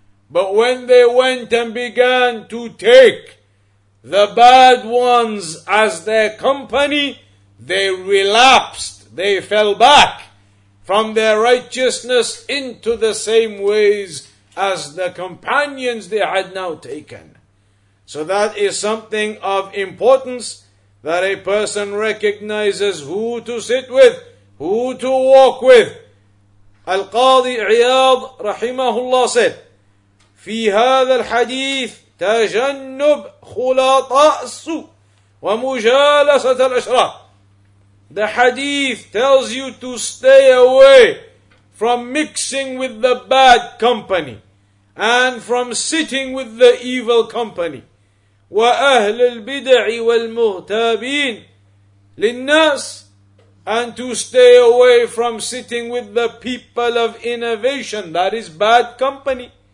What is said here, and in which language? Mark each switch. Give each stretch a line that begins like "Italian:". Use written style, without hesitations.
English: but when they went and began to take the bad ones as their company, they relapsed, they fell back from their righteousness into the same ways as the companions they had now taken. So that is something of importance, that a person recognizes who to sit with, who to walk with. Al-Qadi Iyad rahimahullah said,
Arabic: في هذا الحديث تجنب خلاطاء السوء ومجالسة الأشرار.
English: The hadith tells you to stay away from mixing with the bad company and from sitting with the evil company.
Arabic: وَأَهْلِ الْبِدْعِ وَالْمُغْتَابِينَ لِلنَّاسِ,
English: and to stay away from sitting with the people of innovation, that is bad company.